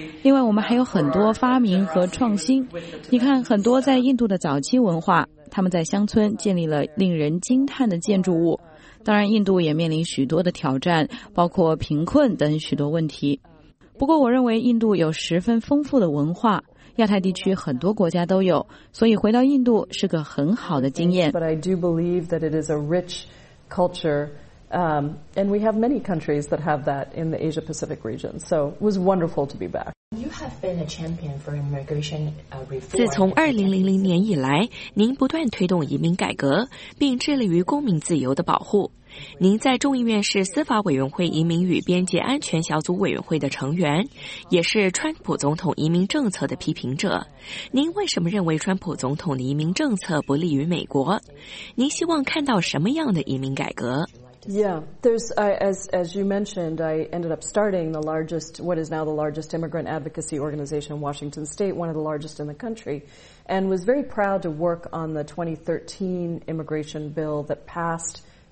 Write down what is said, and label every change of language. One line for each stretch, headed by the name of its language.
Chinese: 另外，我们还有很多发明和创新。你看，很多在印度的早期文化，他们在乡村建立了令人惊叹的建筑物。当然，印度也面临许多的挑战，包括贫困等许多问题。不过，我认为印度有十分丰富的文化，亚太地区很多国家都有，所以回到印度是个很好的经验。
English: But I do believe that it is a rich culture, and we have many countries that have that in the Asia Pacific region. So it was wonderful to be back. You have been a champion for immigration reform.
Chinese: 自从2000年以来，您不断推动移民改革，并致力于公民自由的保护。您在众议院是司法委员会移民与边界安全小组委员会的成员，也是川普总统移民政策的批评者。您为什么认为川普总统的移民政策不利于美国？您希望看到什么样的移民改革？
English: Yeah, there's as you mentioned, I ended up starting the largest, what is now the largest immigrant advocacy organization in Washington State, one of the largest in the country, and was very proud to work on the 2013 immigration bill that passed.